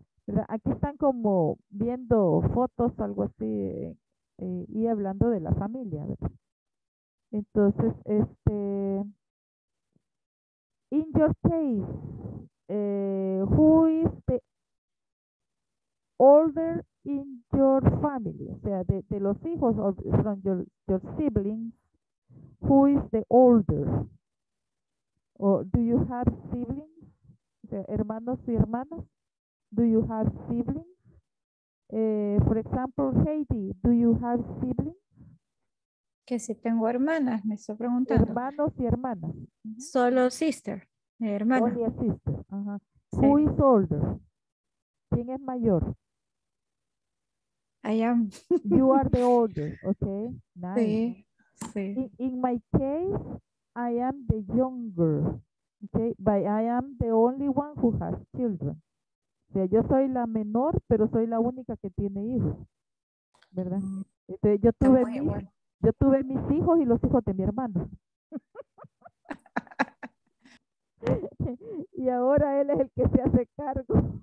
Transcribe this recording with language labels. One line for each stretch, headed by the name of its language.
Spanish: Aquí están como viendo fotos o algo así y hablando de la familia, ¿verdad? Entonces,
English: in your case, who is the older in your family?
Spanish: O sea, de los hijos
English: of, from your siblings, who is the older? Or do you have siblings?
Spanish: Hermanos y hermanas,
English: do you have siblings? For example, Heidi, do you have siblings?
Spanish: Que si tengo hermanas, me estoy preguntando. Hermanos y hermanas. Solo
English: sister,
Spanish: hermana.
English: Only a sister. Uh-huh.
Spanish: Sí.
English: Who is older?
Spanish: ¿Quién es mayor?
English: I am. You are the older, okay. Nice.
Spanish: Sí, sí.
English: In my case, I am the younger. Okay, but I am the only one who has children.
Spanish: O sea, yo soy la menor, pero soy la única que tiene hijos, ¿verdad? Entonces, yo tuve mis hijos y los hijos de mi hermano. Y ahora él es el que se hace cargo.